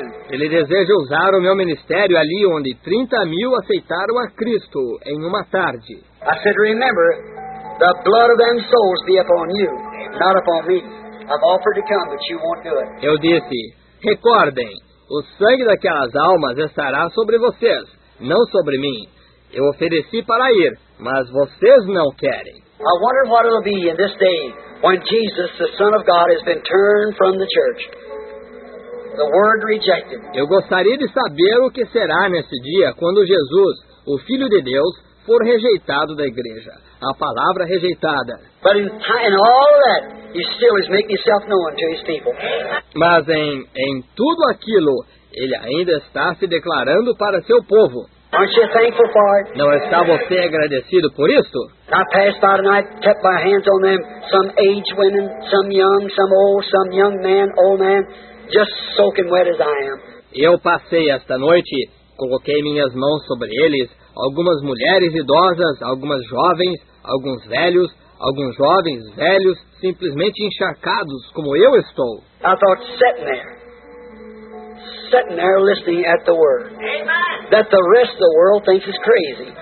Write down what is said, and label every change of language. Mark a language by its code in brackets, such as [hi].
[pt] Ele deseja usar o meu ministério ali onde 30 mil aceitaram a Cristo em uma tarde. [en] I said, remember, the blood of them souls be upon you, not upon me. I've offered to come, but you won't do it. [pt] Eu disse, recordem, o sangue daquelas almas estará sobre vocês, não sobre mim. Eu ofereci para ir, mas vocês não querem. [en] I wonder what it'll be in this day when Jesus, the Son of God, has been turned from the church. The word rejected. [pt] Eu gostaria de saber o que será nesse dia quando Jesus, o Filho de Deus, for rejeitado da igreja. A palavra rejeitada. [en] But in all that, he still is making himself known to his people. [pt] Mas em tudo aquilo, ele ainda está se declarando para seu povo. [en] Aren't you thankful for it? [pt] Não está você agradecido por isso? [en] I passed by tonight, kept my hands on them, some aged women, some young man, old man, just soaking wet as I am. [pt] Eu passei esta noite, coloquei minhas mãos sobre eles, algumas mulheres idosas, algumas jovens, alguns velhos, alguns jovens, velhos, simplesmente encharcados, como eu estou. [en] I thought sitting there listening at the word. Amen. That the rest of the world thinks is crazy.